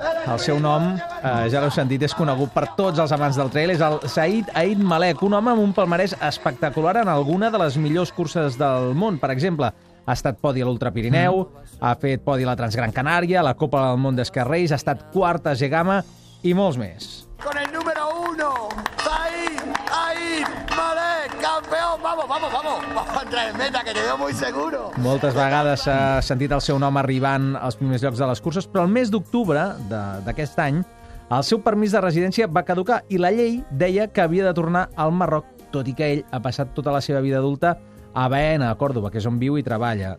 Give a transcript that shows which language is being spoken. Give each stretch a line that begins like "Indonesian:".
Catalan: El seu nom, ja l'heu sentit, és conegut per tots els amants del trail. És el Zahid Ait Malek, un home amb un palmarès espectacular en alguna de les millors curses del món. Per exemple, ha estat podi a l'Ultra Pirineu, ha fet podi a la Transgran Canària, a la Copa del Món d'Escarreis, ha estat quart a Gegama i molts més.
Spanish: Con el número uno, Zahid Malek, campeón, vamos, entra en meta, que te veo muy seguro.
Catalan: Moltes vegades s'ha sentit el seu nom arribant als primers llocs de les curses, però el mes d'octubre d'aquest any el seu permís de residència va caducar i la llei deia que havia de tornar al Marroc, tot i que ell ha passat tota la seva vida adulta a Baena, a Còrdoba, que és on viu i treballa.